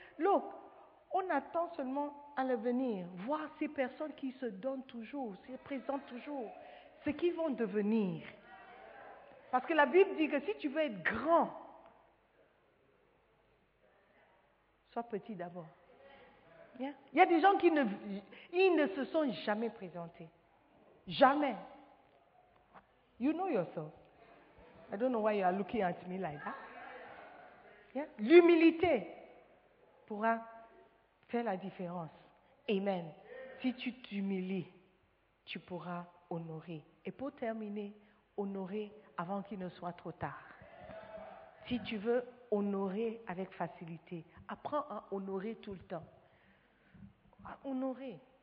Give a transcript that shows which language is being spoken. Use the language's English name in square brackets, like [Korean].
[French] Look, on attend seulement à l'avenir. Voir ces personnes qui se donnent toujours, se présentent toujours, ce qu'ils vont devenir. Parce que la Bible dit que si tu veux être grand, sois petit d'abord. Yeah. Il y a des gens qui ne se sont jamais présentés. [English] Jamais. You know yourself. I don't know why you are looking at me like that. Yeah. [French] L'humilité pourra faire la différence. Amen. Si tu t'humilies, tu pourras honorer. Et pour terminer, honorer avant qu'il ne soit trop tard. Si tu veux honorer avec facilité. Apprends à honorer tout le temps. À honorer.